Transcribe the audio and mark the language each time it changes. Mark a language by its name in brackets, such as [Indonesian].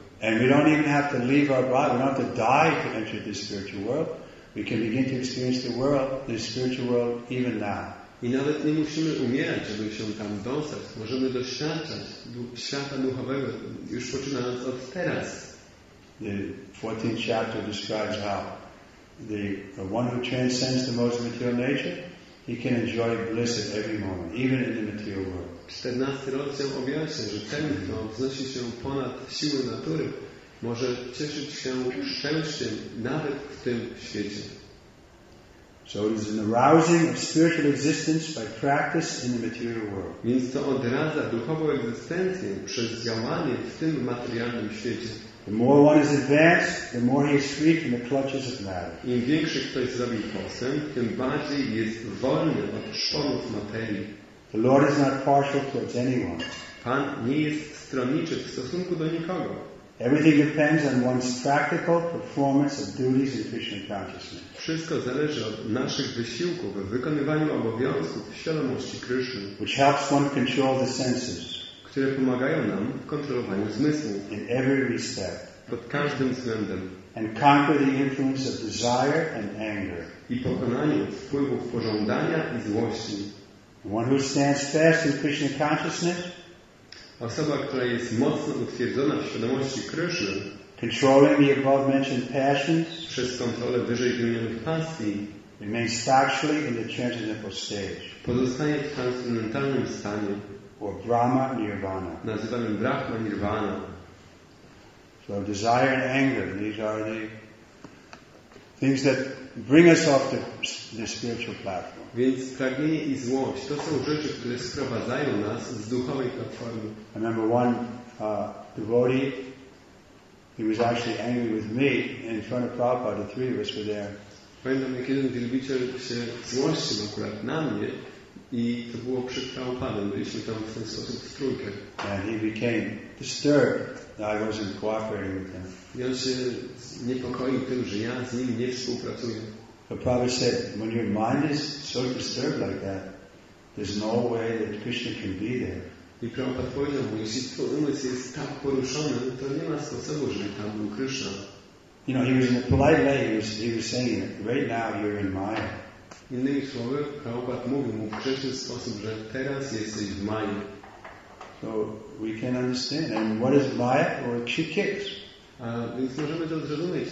[English] And we don't even have to leave our body. We don't have to die to enter this spiritual world. We can begin to experience the world, the spiritual world, even now. [Polish] I nawet nie musimy umierać, żeby się tam dostać. Możemy doświadczać świata duchowego już poczynając od teraz. [English] The 14th chapter describes how the one who transcends the most material nature, he can enjoy bliss at every moment, even in the material world. [Polish] 14 rozdział objaśnia, że ten, kto wznosi się ponad siły natury, może cieszyć się szczęściem nawet w tym świecie. [English] So it is an arousing of spiritual existence by practice in the material world. [Polish] Więc to odradza duchową egzystencję przez działanie w tym materialnym świecie. [English] The more one is advanced, the more he is free from the clutches of matter. [Polish] Im większy ktoś zrobi postęp, tym bardziej jest wolny od szponów materii. [English] The Lord is not partial towards anyone. [Polish] Pan nie jest stronniczy w stosunku do nikogo. [English] Everything depends on one's practical performance of duties in Krishna consciousness. [Polish] Wszystko zależy od naszych wysiłków w wykonywaniu obowiązków w świadomości Krishna, [English] which helps one control the senses. [Polish] Które pomagają nam w kontrolowaniu zmysłu. [English] In every respect. [Polish] Pod każdym względem. [English] And conquer the influence of desire and anger. [Polish] I pokonaniu wpływów pożądania i złości. [English] One who stands fast in Krishna consciousness, [Polish] osoba, która jest mocno utwierdzona w świadomości Krishna, [English] controlling the above mentioned passions, [Polish] przez kontrolę wyżej wymienionych pasji, [English] remains actually in the transcendental stage, [Polish] pozostaje w transcendentalnym stanie, [English] or Brahma Nirvana, [Polish] nazywanym Brahma Nirvana. [English] So desire and anger, these are the things that bring us off the spiritual platform. [Polish] Więc pragnienie i złość to są rzeczy, które sprowadzają nas z duchowej platformy. [English] Remember one devotee, he was actually angry with me in front of Prabhupada, the three of us were there. [Polish] Pamiętam, jak jeden wielbiciel się złościł akurat na mnie I to było przed Prabhupadem. Byliśmy tam w ten sposób w trójkę. [English] And he became disturbed that I wasn't cooperating with him. [Polish] I on się niepokoił tym, że ja z nim nie współpracuję. [English] But Prabhupada said, when your mind is so disturbed like that, there's no way that Krishna can be there. [Polish] I Prabhupada powiedział mu, jeśli twój umysł jest tak poruszony, to nie ma sposobu, żeby tam był Krishna. [English] You know, he was in a polite way, he was saying it. Right now you're in Maya. [Polish] Innymi słowy, Prabhupada mówił mu w krzyczny sposób, że teraz jesteś w Maya. [English] So we can understand. And what is Maya? Or Chikit? [Polish] Więc możemy to zrozumieć.